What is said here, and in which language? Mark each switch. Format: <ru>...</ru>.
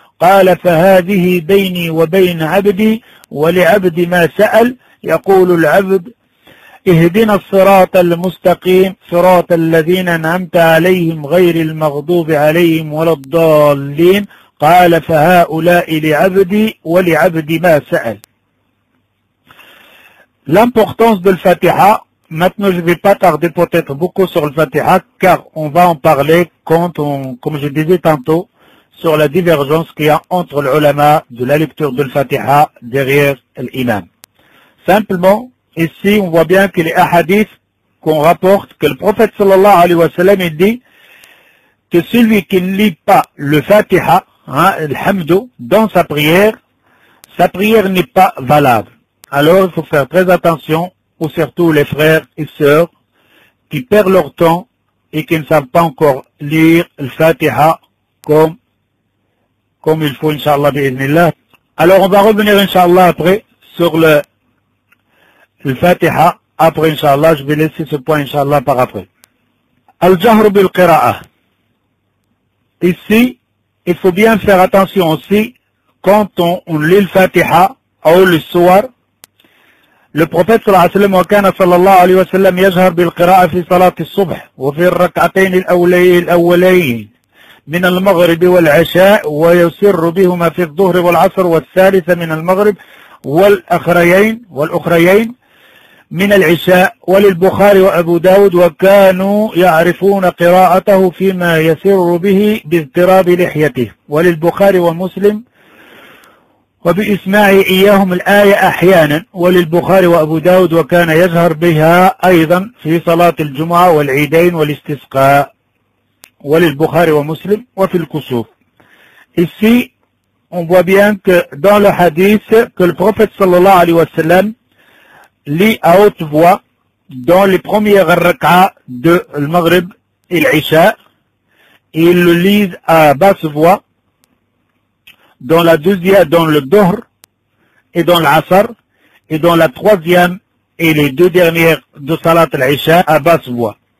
<ar>قال فهذه بيني وبين عبدي ولعبدي ما سأل يقول العبد اهدنا الصراط المستقيم صراط الذين أنعمت عليهم غير المغضوب عليهم ولا الضالين. قال فهؤلاء لعبدي ولعبدي ما سأل.</ar> <fr>L'importance de l'Fatiha, maintenant je ne vais pas tarder peut-être beaucoup sur l'Fatiha, car on va en parler quand on, comme je disais tantôt, sur la divergence qu'il y a entre l'ulama de la lecture de l'Fatiha derrière l'imam. Simplement, ici on voit bien que les hadiths qu'on rapporte, que le prophète sallallahu alayhi wa sallam dit que celui qui ne lit pas le Fatiha, hein, l'hamdou, dans sa prière n'est pas valable. Alors, il faut faire très attention, ou surtout les frères et sœurs qui perdent leur temps et qui ne savent pas encore lire le Fatiha comme il faut, Inch'Allah, bi'idhnillah. Alors, on va revenir, Inch'Allah, après, sur le Fatiha. Après, Inch'Allah, je vais laisser ce point, Inch'Allah, par après.</fr> <ar>Al-Jahru bil-Qira'a.</ar> <fr>Ici, il faut bien faire attention aussi, quand on lit le Fatiha, ou le Suwar, le prophète sallallahu alayhi wa sallam,</fr> <ar>وكان صلى الله عليه وسلم يجهر بالقراءة في صلاة الصبح وفي الركعتين الأولين من المغرب والعشاء ويسر بهما في الظهر والعصر والثالثة من المغرب والأخريين من العشاء وللبخاري وأبو داود وكانوا يعرفون قراءته فيما يسر به باضطراب لحيته وللبخاري ومسلم وبإسماعي إياهم الآية أحيانا وللبخاري وأبو داود وكان يجهر بها أيضا في صلاة الجمعة والعيدين والاستسقاء وللبخاري ومسلم وفي الكسوف.</ar> <fr>Ici, on voit bien que dans le hadith que le prophète صلى الله عليه وسلم lit à haute voix dans les premières rak'as de المغرب et العشاء, il le lit à basse voix dans la deuxième, dans le dhuhr et dans l'asr, et dans la troisième et les deux dernières de salat al-isha à basse voix.</fr>